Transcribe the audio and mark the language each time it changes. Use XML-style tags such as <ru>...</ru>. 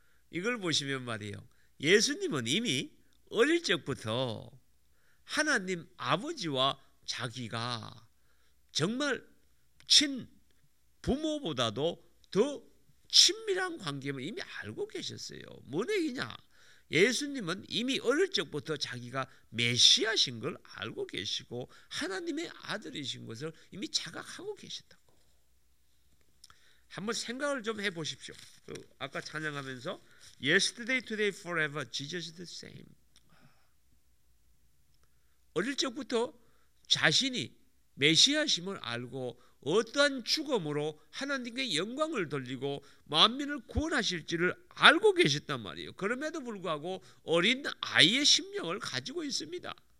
<ko>이걸 보시면 말이에요, 예수님은 이미 어릴 적부터 하나님 아버지와 자기가 정말 친 부모보다도 더 친밀한 관계를 이미 알고 계셨어요. 뭔 얘기냐? 예수님은 이미 어릴 적부터 자기가 메시아신 걸 알고 계시고 하나님의 아들이신 것을 이미 자각하고 계셨다고. 한번 생각을 좀 해보십시오. 아까 찬양하면서</ko> <en>Yesterday, today, forever, Jesus is the same.</en> <ko>어릴 적부터 자신이 메시아심을 알고 어떠한 죽음으로 하나님께 영광을 돌리고 만민을 구원하실지를 알고 계셨단 말이에요. 그럼에도 불구하고 어린 아이의 심령을 가지고 있습니다.</ko>